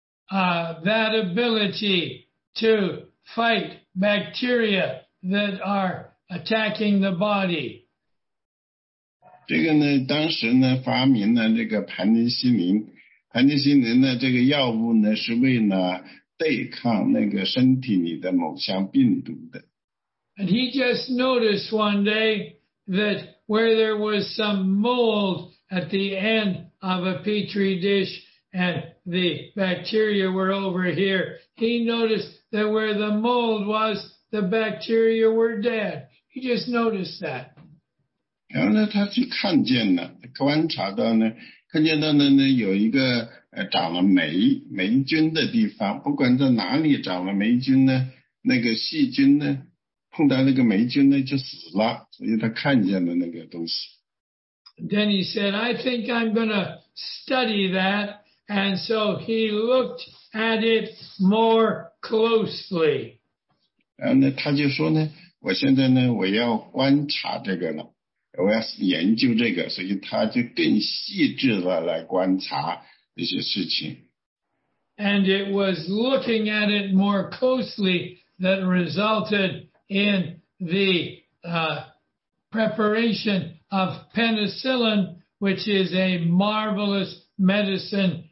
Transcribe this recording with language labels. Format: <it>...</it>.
<en>That ability to fight bacteria that are attacking the body.</en> <zh>这个呢，当时呢，发明了这个盘尼西林。盘尼西林呢，这个药物呢，是为了对抗那个身体里的某项病毒的。</zh> <en>And he just noticed one day that where there was some mold at the end of a petri dish. And the bacteria were over here. He noticed that where the mold was, the bacteria were dead. He just noticed that.</en> <zh>然后呢，他去看见了，观察到呢，看见到呢，有一个长了霉菌的地方，不管在哪里长了霉菌呢，那个细菌呢，碰到那个霉菌呢就死了，所以他看见了那个东西。</zh> <en>Then he said, I think I'm going to study that. And so he looked at it more closely.</en> <zh>然后呢，他就说呢，我现在呢，我要观察这个了，我要研究这个，所以他就更细致的来观察这些事情。</zh> <en>And it was looking at it more closely that resulted in the preparation of penicillin, which is a marvelous medicine.</en>